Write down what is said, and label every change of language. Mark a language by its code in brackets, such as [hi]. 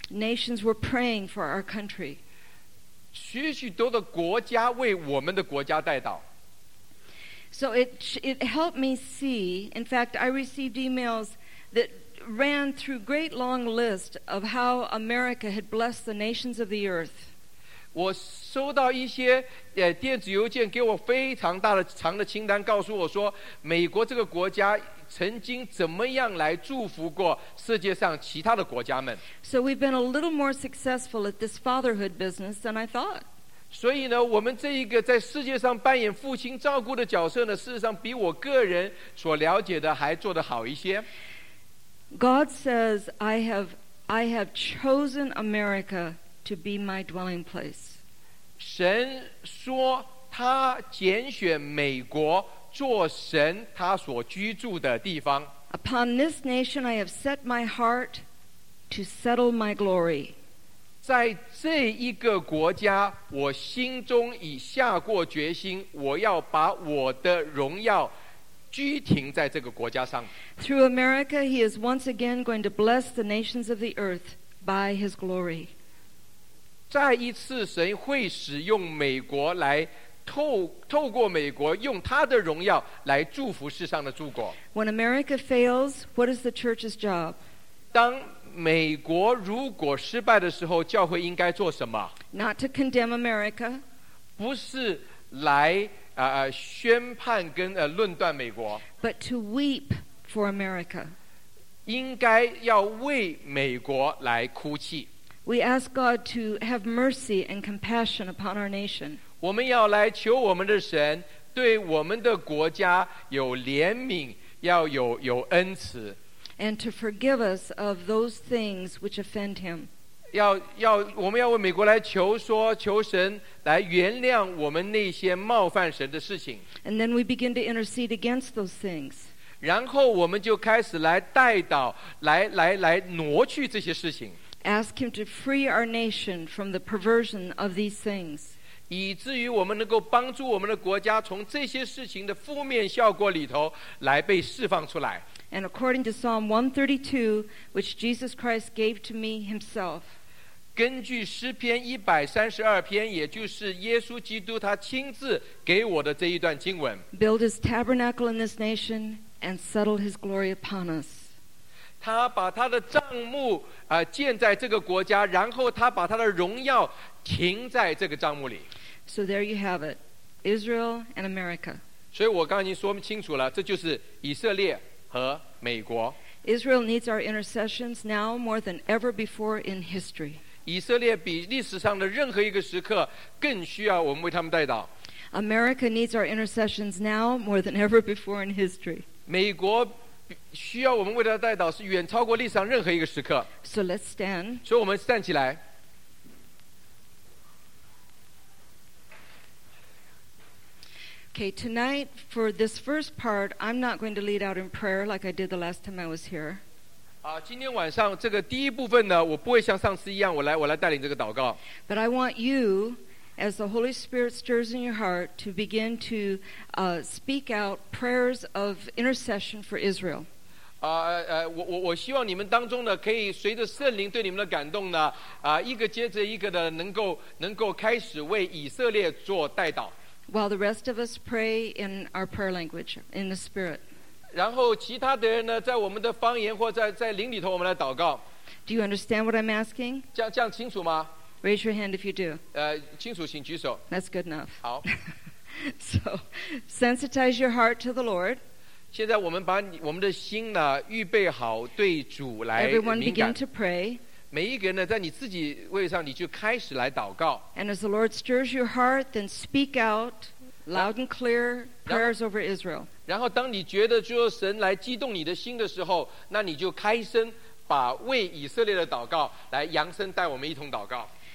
[en] Nations were praying for our country. [zh] 许许多的国家为我们的国家代祷。 [en] So it helped me see. In fact, I received emails that ran through great long list of how America had blessed the nations of the earth. [zh] 我收到一些电子邮件给我非常大的长的清单，告诉我说美国这个国家曾经怎么样来祝福过世界上其他的国家们。 [en] So we've been a little more successful at this fatherhood business than I thought. [zh] 所以呢，我们这一个在世界上扮演父亲照顾的角色呢，事实上比我个人所了解的还做得好一些。 [en] God says, I have chosen America to be my dwelling place. [zh] 神说他拣选美国做神他所居住的地方。 [en] Upon this nation I have set my heart to settle my glory. [zh] 在这一个国家我心中已下过决心，我要把我的荣耀居停在这个国家上。 [en] Through America, he is once again going to bless the nations of the earth by his glory. [zh] 再一次神会使用美国来透过美国用他的荣耀来祝福世上的诸国。 [en] When America fails, what is the church's job? [zh] 当美国如果失败的时候，教会应该做什么？ [en] Not to condemn America. [zh] 不是来宣判跟论断美国。 [en] But to weep for America. [zh] 应该要为美国来哭泣。 [en] We ask God to have mercy and compassion upon our nation. [zh] 我们要来求我们的神对我们的国家有怜悯，要有恩慈。 [en] And to forgive us of those things which offend him. [zh] 要我们要为美国来求说，求神来原谅我们那些冒犯神的事情。 [en] And then we begin to intercede against those things. [zh] 然后我们就开始来代祷，来挪去这些事情。 [en] Ask him to free our nation from the perversion of these things. [zh] 以至于我们能够帮助我们的国家从这些事情的负面效果里头来被释放出来。 [en] And according to Psalm 132, which Jesus Christ gave to me himself, [zh] 根据诗篇132篇，也就是耶稣基督他亲自给我的这一段经文。 [en] Build his tabernacle in this nation and settle his glory upon us. [zh] 他把他的帐幕建在这个国家，然后他把他的荣耀停在这个帐幕里。 [en] So there you have it, Israel and America. [zh] 所以我刚才已经说清楚了，这就是以色列和美国。 [en] Israel needs our intercessions now more than ever before in history. [zh] 以色列比历史上的任何一个时刻更需要我们为他们代祷。 [en] America needs our intercessions now more than ever before in history. [zh] 美国需要我们为他代祷是远超过历史上任何一个时刻。 [en] So let's stand. [zh] 所以我们站起来。 [en] Okay, tonight for this first part, I'm not going to lead out in prayer like I did the last time I was here. [zh] 今天晚上这个第一部分呢，我不会像上次一样，我来带领这个祷告。 [en] But I want you, as the Holy Spirit stirs in your heart, to begin to speak out prayers of intercession for Israel. [zh] 我希望你们当中呢，可以随着圣灵对你们的感动呢，一个接着一个的能够开始为以色列做代祷。 [en] While the rest of us pray in our prayer language, in the spirit. [zh] 然后其他的人呢，在我们的方言或在灵里头，我们来祷告。 [en] Do you understand what I'm asking? [zh] 这样清楚吗？ [en] Raise your hand if you do. [zh] 清楚请举手。 [en] That's good enough. [zh] 好。 [en] So, sensitize your heart to the Lord. [zh] 现在我们把我们的心呢，预备好对主来敏感。 [en] Everyone begin to pray. [zh] 每一个人呢，在你自己位上，你就开始来祷告。 [en] And as the Lord stirs your heart, then speak out loud and clear prayers over Israel. [zh] 然后当你觉得就神来激动你的心的时候，那你就开声把为以色列的祷告来扬声带我们一同祷告。